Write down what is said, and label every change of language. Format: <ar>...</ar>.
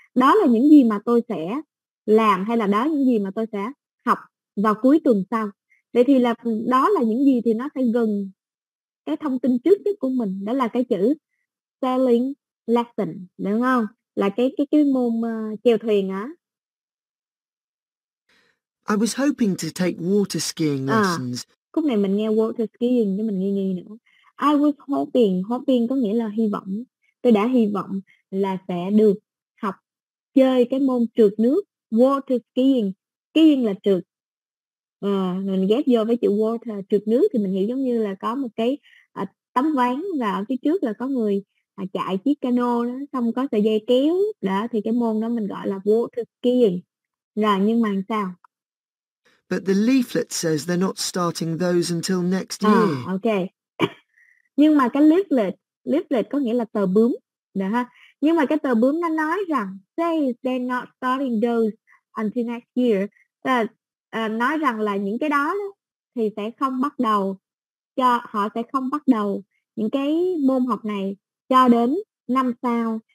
<vi>Đó là những gì mà tôi sẽ làm, hay là đó những gì mà tôi sẽ học vào cuối tuần sau. Vậy thì là đó là những gì thì nó sẽ gần cái thông tin trước nhất của mình. Đó là cái chữ sailing lesson, đúng không? Là cái môn chèo thuyền á.</vi> <en>I was hoping to take water skiing lessons.</en> <vi>Khúc này mình nghe water skiing chứ mình nghi nữa.</vi> <en>I was hoping,</en> <vi>hoping có nghĩa là hy vọng. Tôi đã hy vọng là sẽ được học chơi cái môn trượt nước, water skiing. Skiing là trượt. Mình ghép vô với chữ water, trượt nước, thì mình hiểu giống như là có một cái tấm ván và ở phía trước là có người chạy chiếc cano đó, xong có sợi dây kéo đó, thì cái môn đó mình gọi là water skiing. Rồi nhưng mà sao?</vi> <en>But the leaflet says they're not starting those until next year. Okay.</en> <vi>Nhưng mà cái leaflet có nghĩa là tờ bướm, được ha. Nhưng mà cái tờ bướm nó nói rằng</vi> <en>says they're not starting those until next year.</en> <vi>Nói rằng là những cái đó thì sẽ không bắt đầu cho họ sẽ không bắt đầu những cái môn học này cho đến năm sau.</vi>